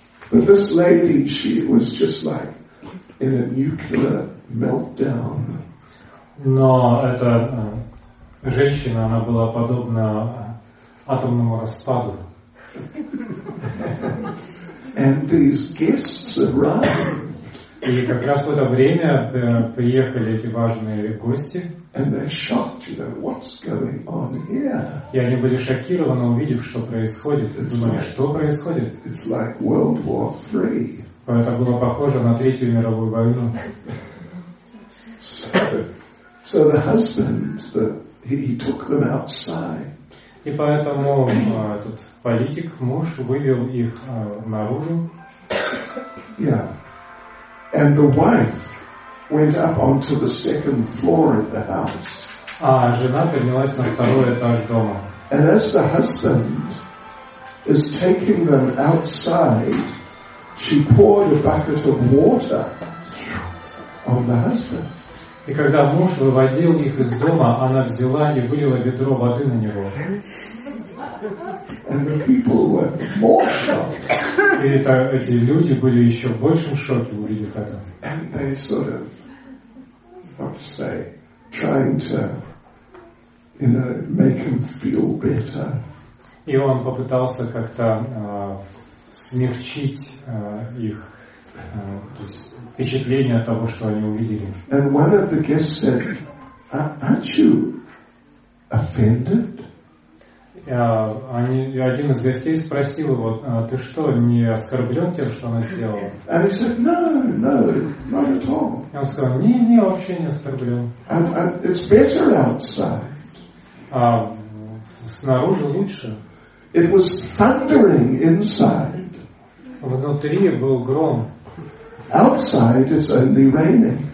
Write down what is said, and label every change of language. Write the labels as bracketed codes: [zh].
[en] But this lady, she was just like in a nuclear meltdown. [ru] Но эта женщина, она была подобна атомному распаду. [en] And these guests arrived. [ru] И как раз в это время приехали эти важные гости. [en] And they're shocked, you know, what's going on here? [ru] И они были шокированы, увидев, что происходит. Думали, что происходит? [en] It's like World War III. [ru] Это было похоже на Третью мировую войну. [en] So the husband, he took them outside. [ru] И поэтому этот политик, муж, вывел их наружу. [en] Yeah. And the wife went up onto the second floor of the house. [ru] А жена поднялась на второй этаж дома. [en] And as the husband is taking them outside, she poured a bucket of water on the husband. [ru] И когда муж выводил их из дома, она взяла и вылила ведро воды на него. [en] And the people were more shocked. [ru] И это, эти люди были еще в большем шоке, увидев это. [en] And they sort of, what to say, trying to, you know, make him feel better. [ru] И он попытался как-то смягчить их то есть впечатление от того, что они увидели. [en] And one of the guests said, "Aren't you offended?" [ru] Один из гостей спросил его, ты что, не оскорблен тем, что она сделала? [en] And he said, no, no, not at all. [ru] И он сказал, не, вообще не оскорблен. [en] And it's better outside. [ru] А снаружи лучше. [en] It was thundering inside. [ru] Внутри был гром. [en] Outside it's only raining.